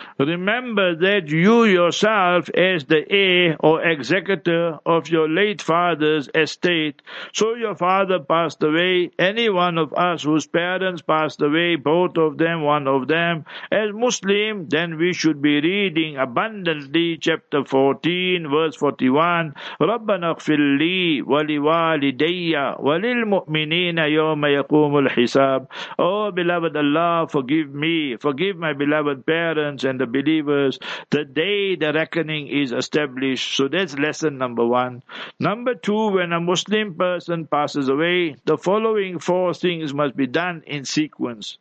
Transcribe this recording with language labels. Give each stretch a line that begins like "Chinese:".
English: Remember that you yourself as the heir or executor of your late father's estate. So your father passed away. Any one of us whose parents passed away, both of them, one of them, as Muslim, then we should be reading abundantly chapter 40.
Arabic: Verse 41, رَبَّنَا اغْفِرْ لِي وَلِوَالِدَيَّ وَلِلْمُؤْمِنِينَ يَوْمَ يَقُومُ الْحِسَابِ.
English: Oh, beloved Allah, forgive me. Forgive my beloved parents and the believers. The day the reckoning is established. So that's lesson number one. Number two, when a Muslim person passes away, the following four things must be done in sequence.